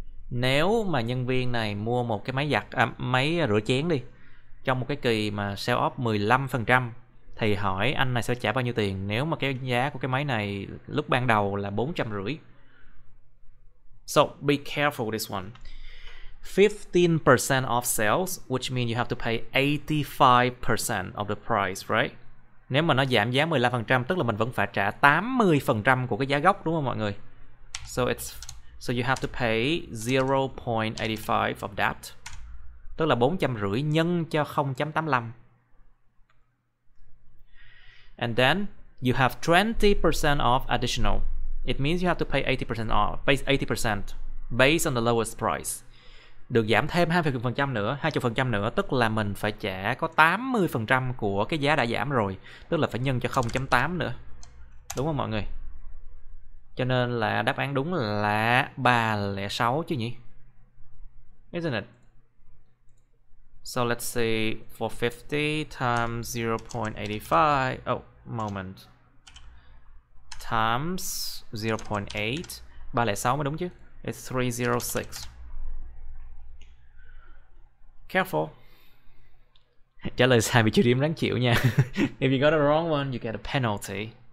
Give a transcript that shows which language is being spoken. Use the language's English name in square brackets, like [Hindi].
[Vietnamese] Nếu mà nhân viên này mua một cái máy giặt máy rửa chén đi, trong một cái kỳ mà sale off 15%, thì hỏi anh này sẽ trả bao nhiêu tiền nếu mà cái giá của cái máy này lúc ban đầu là 450. [English] So be careful this one. 15% off sales, which means you have to pay 85% of the price, right? [Vietnamese] Nếu mà nó giảm giá 15%, tức là mình vẫn phải trả 80% của cái giá gốc, đúng không mọi người? [English] So you have to pay 0.85 of that. [Vietnamese] Tức là 450 nhân cho 0.85. [English] And then you have 20% off additional. It means you have to pay 80% off, based on the lowest price. [Vietnamese] Được giảm thêm 20% nữa, 20% nữa, tức là mình phải trả có 80% của cái giá đã giảm rồi, tức là phải nhân cho 0.8 nữa. Đúng không mọi người? Cho nên là đáp án đúng là 306 chứ nhỉ? [English] Isn't it? So let's see, for 50 times 0.85, oh, moment. [Vietnamese] Times 0.8, 306 mới đúng chứ? [English] It's 306. Careful. [Vietnamese] Trả lời sai bị trừ điểm đáng chịu nha. [English] If you got a wrong one, you get a penalty.